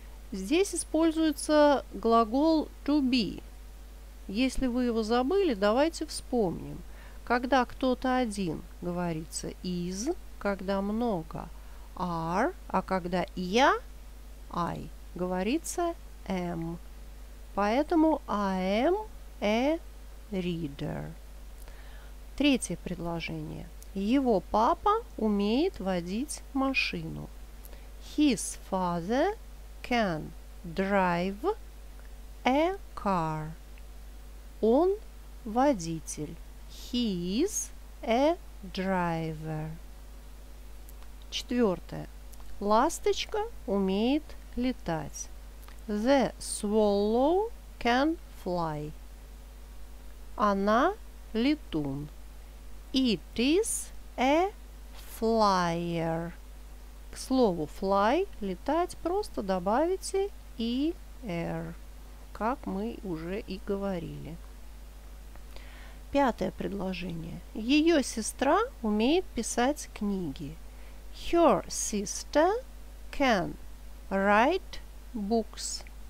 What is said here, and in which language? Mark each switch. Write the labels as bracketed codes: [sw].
[ru] Здесь используется глагол [en] to be. [ru] Если вы его забыли, давайте вспомним. Когда кто-то один, говорится is, когда много are, а когда я, I, говорится am. Поэтому [en] I am a reader. [ru] Третье предложение. Его папа умеет водить машину. [en] His father can drive a car. [ru] Он водитель. [en] He is a driver. [ru] Четвертое. Ласточка умеет летать. [en] The swallow can fly. [ru] Она летун. [en] It is a flyer. [ru] К слову fly, летать, просто добавите er, как мы уже и говорили. Пятое предложение. Ее сестра умеет писать книги. [en] Her sister can write books.